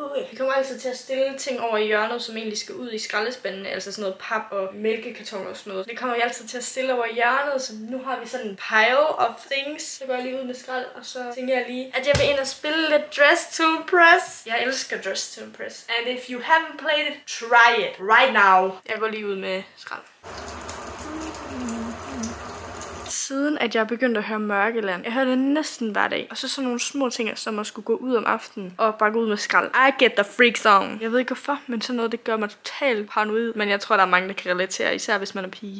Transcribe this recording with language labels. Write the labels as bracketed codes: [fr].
[da] Vi kommer altså til at stille ting over i hjørnet, som egentlig skal ud i skraldespanden. Altså sådan noget pap og mælkekarton og sådan noget. Det kommer vi altid til at stille over i hjørnet. Så nu har vi sådan en [en] pile of things. [da] Så går jeg lige ud med skrald. Og så tænker jeg lige, at jeg vil ind og spille lidt Dress to Impress. Jeg elsker Dress to Impress. [en] And if you haven't played it, try it right now. [da] Jeg går lige ud med skrald. Siden at jeg begyndte at høre Mørkeland, jeg hørte det næsten hver dag. Og så sådan nogle små ting, som at skulle gå ud om aftenen og bare gå ud med skrald. [en] I get the freak song. [da] Jeg ved ikke hvorfor, men sådan noget, det gør mig totalt paranoid. Men jeg tror, der er mange, der kan relatere, især hvis man er pige.